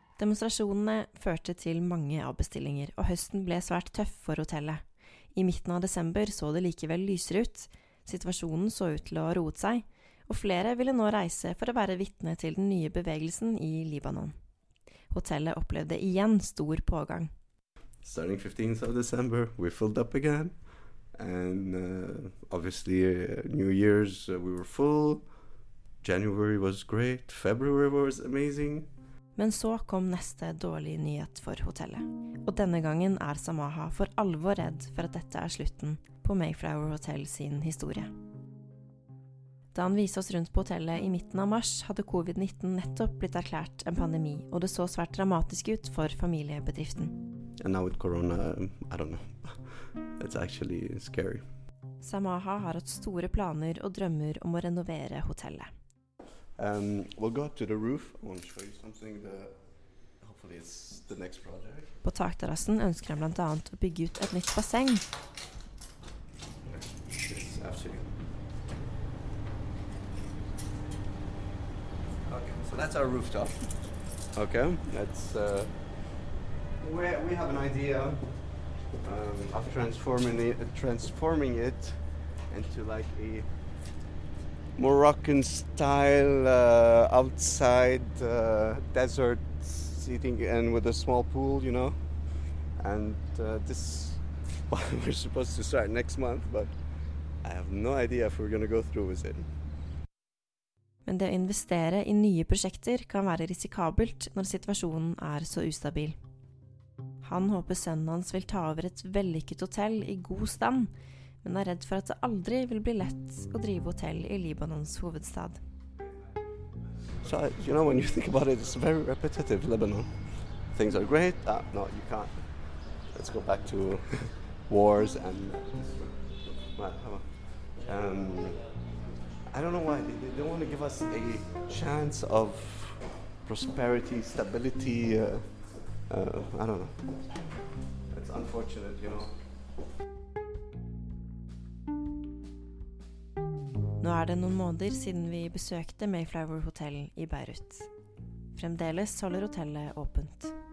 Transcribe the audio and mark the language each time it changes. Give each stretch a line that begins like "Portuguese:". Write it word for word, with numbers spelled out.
Norwegian: Demonstrasjonene førte til mange avbestillinger, og høsten ble svært tøff for hotellet. I midten av desember så det likevel lysere ut. Situasjonen så ut til å ha roet seg, og flere ville nå reise for å være vitne til den nye bevegelsen i Libanon. Hotellet opplevde igjen stor pågang.
English: Starting fifteenth of December, we filled up again. And uh, obviously uh, New Year's uh, we were full. January was great. February was amazing.
Norwegian: Men så kom neste dårlig nyhet for hotellet. Og denne gangen er Samaha for alvor redd for at dette er slutten på Mayflower Hotel sin historie. Da han viste oss rundt på hotellet i midten av mars, hadde covid nitten nettopp blitt erklært en pandemi, og det så svært dramatisk ut for familiebedriften.
English: And now with corona, I don't know. It's actually scary.
Norwegian: Samaha har hatt store planer og drømmer om å renovere hotellet.
English: Um, we'll go up to the roof. I want to show you something that hopefully it's the next project.
Norwegian: På takterrassen ønsker han blant annet å bygge ut et nytt basseng.
English: Yes, absolutely. Okay, so that's our rooftop. Okay, that's uh, we we have an idea um, of transforming it, transforming it into like a Moroccan style uh, outside uh, desert seating and with a small pool, you know. And uh, this well, we're supposed to start next month, but I have no idea if we're going to go through with it.
Norwegian: Men det å investere i nye prosjekter kan være risikabelt når situasjonen er så ustabil. Han håper sønnen hans vil ta over et vellykket hotell i god stand, men er redd for at det aldri vil bli lett å drive hotell I Libanons hovedstad.
English: So, you know, when you think about it, it's very repetitive, Lebanon. Things are great. Ah, no, you can't. Let's go back to wars and... Um, I don't know why. They, they don't want to give us a chance of prosperity, stability. Uh, uh, I don't know. It's unfortunate, you know.
Norwegian: Nå er det noen måneder siden vi besøkte Mayflower Hotel I Beirut. Fremdeles holder hotellet åpent.